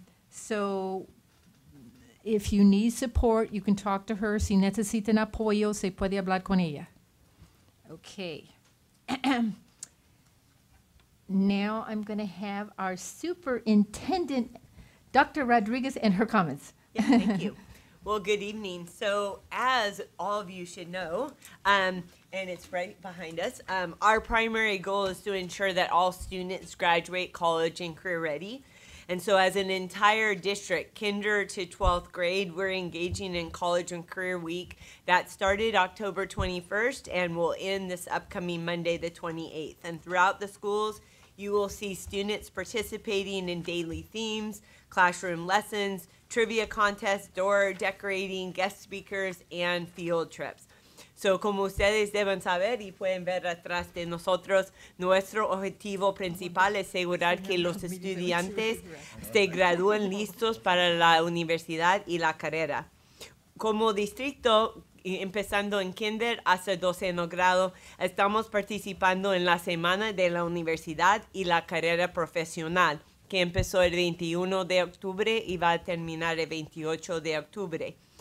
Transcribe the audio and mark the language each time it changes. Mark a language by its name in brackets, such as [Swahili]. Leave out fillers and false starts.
[English] So if you need support, you can talk to her. [Spanish] Si necesitan apoyo, se puede hablar con ella. [English] Okay. Now I'm going to have our superintendent, Dr. Rodriguez, and her comments. Yeah, thank you. Well, good evening. So as all of you should know, and it's right behind us, our primary goal is to ensure that all students graduate college and career ready. And so as an entire district, kinder to 12th grade, we're engaging in College and Career Week that started October 21st and will end this upcoming Monday, the 28th. And throughout the schools, you will see students participating in daily themes, classroom lessons, trivia contests, door decorating, guest speakers, and field trips. [Spanish] So como ustedes deben saber y pueden ver atrás de nosotros, nuestro objetivo principal es asegurar que los estudiantes se gradúen listos para la universidad y la carrera. Como distrito, empezando en kinder hasta 12 grado, estamos participando en la semana de la universidad y la carrera profesional, que empezó el 21 de octubre y va a terminar el 28 de octubre.